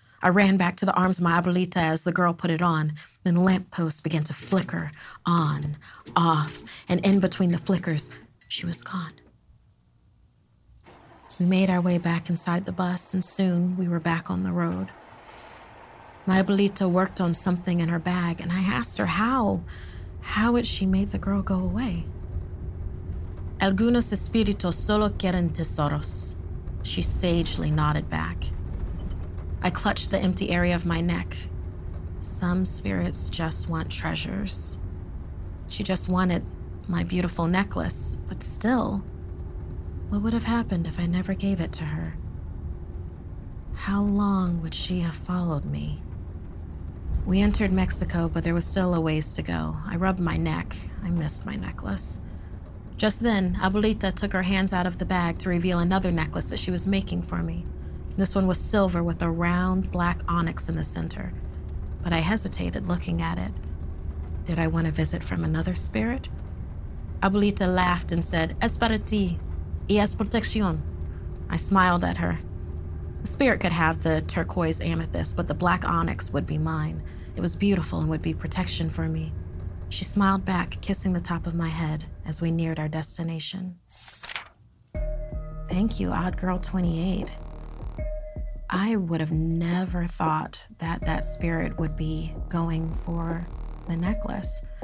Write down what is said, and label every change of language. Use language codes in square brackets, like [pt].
[en] I ran back to the arms of my abuelita as the girl put it on. Then the lamppost began to flicker on, off, and in between the flickers, she was gone. We made our way back inside the bus, and soon we were back on the road. My abuelita worked on something in her bag, and I asked her how had she made the girl go away? [es] Algunos espíritus solo quieren tesoros. [en] She sagely nodded back. I clutched the empty area of my neck. Some spirits just want treasures. She just wanted my beautiful necklace, but still, what would have happened if I never gave it to her? How long would she have followed me? We entered Mexico, but there was still a ways to go. I rubbed my neck. I missed my necklace. Just then, abuelita took her hands out of the bag to reveal another necklace that she was making for me. This one was silver with a round black onyx in the center, but I hesitated looking at it. Did I want a visit from another spirit? Abuelita laughed and said, [es] Es para ti, y es protección. [en] I smiled at her. The spirit could have the turquoise amethyst, but the black onyx would be mine. It was beautiful and would be protection for me. She smiled back, kissing the top of my head as we neared our destination. Thank you, Odd Girl 28. I would have never thought that spirit would be going for the necklace.